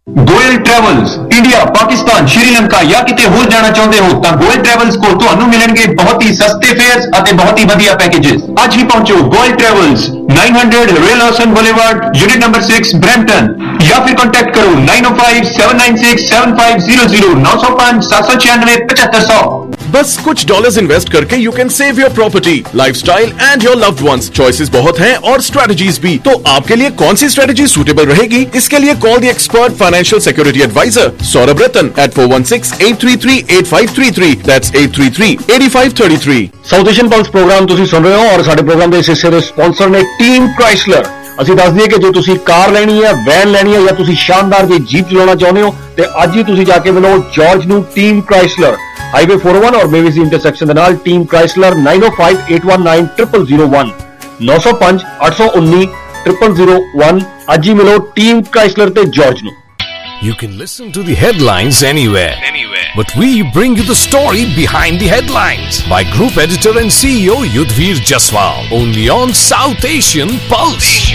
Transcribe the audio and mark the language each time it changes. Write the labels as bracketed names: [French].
[Punjabi] Goyal travels India Pakistan Sri Lanka ਜਾਂ ਕਿਤੇ ਹੋਰ ਜਾਣਾ ਚਾਹੁੰਦੇ ਹੋ ਤਾਂ ਗੋਇਲ ਟ੍ਰੈਵਲਸ ਕੋਲ ਤੁਹਾਨੂੰ ਮਿਲਣਗੇ ਬਹੁਤ ਹੀ ਸਸਤੇ ਫੇਅਰਸ ਅਤੇ ਬਹੁਤ ਹੀ ਵਧੀਆ ਪੈਕੇਜਸ ਅੱਜ ਹੀ ਪਹੁੰਚੋ Goyal travels 900 rail Hasan boulevard unit number 6 Brampton ਜਾਂ ਫਿਰ ਕੰਟੈਕਟ ਕਰੋ 905-796-7500 905-796-7500 [Hindi] बस कुछ डॉलर्स इन्वेस्ट करके [English] you can save your property lifestyle and your loved ones [Hindi] choices बहुत हैं और स्ट्रेटजीज भी तो आपके लिए कौन सी स्ट्रेटजी सूटेबल रहेगी इसके लिए [English] call the expert financial security advisor [Hindi] Saurabh Ratan eight 416-833-8533 that's 833-8533 [Punjabi] south Asian pulse programme तुसी सुन रहे हो और साडे प्रोग्राम दे इस हिस्से दे स्पोंसर ने टीम क्राइसलर ਅਸੀਂ ਦੱਸ ਦਈਏ ਕਿ ਜੇ ਤੁਸੀਂ ਕਾਰ ਲੈਣੀ ਹੈ ਵੈਨ ਲੈਣੀ ਹੈ ਜਾਂ ਤੁਸੀਂ ਸ਼ਾਨਦਾਰ ਜੀ ਜੀਪ ਚਲਾਉਣਾ ਚਾਹੁੰਦੇ ਹੋ ਤੇ ਅੱਜ ਹੀ ਤੁਸੀਂ ਜਾ ਕੇ ਮਿਲੋ ਜਾਰਜ ਨੂੰ ਟੀਮ ਕ੍ਰਾਈਸਲਰ ਹਾਈਵੇ 401 ਔਰ ਮੇਵੀਸੀ ਇੰਟਰਸੈਕਸ਼ਨ ਦੇ ਨਾਲ ਟੀਮ ਕ੍ਰਾਈਸਲਰ 905-819-0001 905-819-0001 ਅੱਜ ਹੀ ਮਿਲੋ ਟੀਮ ਕ੍ਰਾਈਸਲਰ ਤੇ ਜਾਰਜ ਨੂੰ [English] You can listen to the headlines anywhere, but we bring you the story behind the headlines by Group Editor and CEO Yudhvir Jaswal, only on South Asian Pulse.